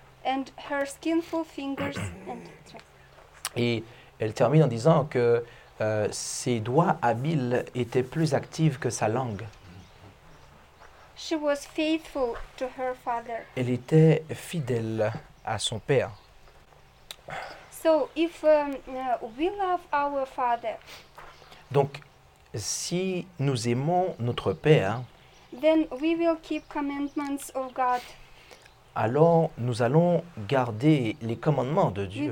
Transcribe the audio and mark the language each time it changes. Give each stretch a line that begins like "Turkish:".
English: And her skinful fingers.
French: Et elle termine en disant que ses doigts habiles étaient plus actifs que sa langue.
English: She was faithful to her father.
French: Elle était fidèle à son père.
English: So if we love our father.
French: Donc si nous aimons notre père,
English: then we will keep commandments of God.
French: Alors nous allons garder les commandements de Dieu.